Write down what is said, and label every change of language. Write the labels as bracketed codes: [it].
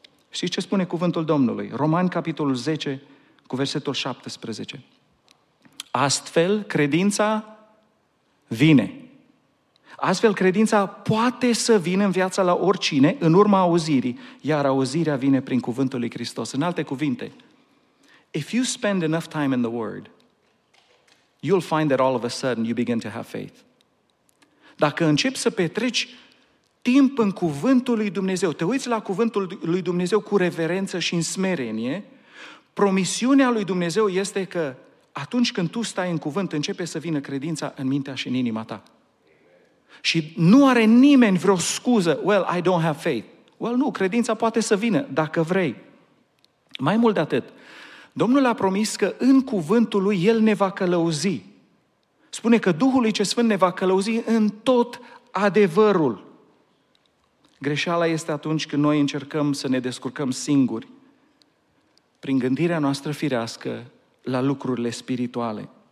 [ro] Și ce spune cuvântul Domnului? Romani, capitolul 10, cu versetul 17. Astfel, credința vine. Astfel, credința poate să vină în viața la oricine în urma auzirii, iar auzirea vine prin cuvântul lui Hristos. În alte cuvinte, [en] if you spend enough time in the Word, you'll find that all of a sudden you begin to have faith. [ro] Dacă începi să petreci timp în cuvântul lui Dumnezeu, te uiți la cuvântul lui Dumnezeu cu reverență și în smerenie, promisiunea lui Dumnezeu este că atunci când tu stai în cuvânt, începe să vină credința în mintea și în inima ta. Și nu are nimeni vreo scuză, [en] well, I don't have faith. [ro] Well, nu, credința poate să vină, dacă vrei. Mai mult de atât, Domnul a promis că în cuvântul lui El ne va călăuzi. Spune că Duhul lui Cel Sfânt ne va călăuzi în tot adevărul. Greșeala este atunci când noi încercăm să ne descurcăm singuri, prin gândirea noastră firească, la lucrurile spirituale.